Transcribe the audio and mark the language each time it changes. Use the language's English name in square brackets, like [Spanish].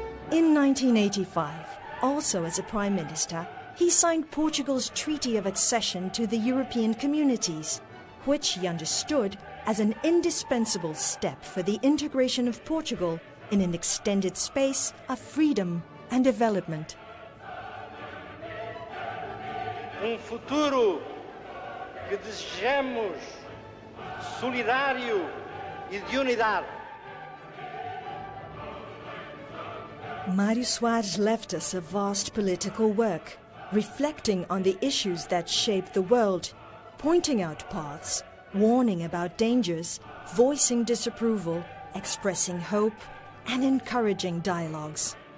[English] In 1985, also as a Prime Minister, he signed Portugal's Treaty of Accession to the European Communities, which he understood as an indispensable step for the integration of Portugal in an extended space of freedom and development. [Portuguese] Um futuro que desejamos solidário e de unidade. [English] Mário Soares left us a vast political work, reflecting on the issues that shape the world, pointing out paths, warning about dangers, voicing disapproval, expressing hope, and encouraging dialogues.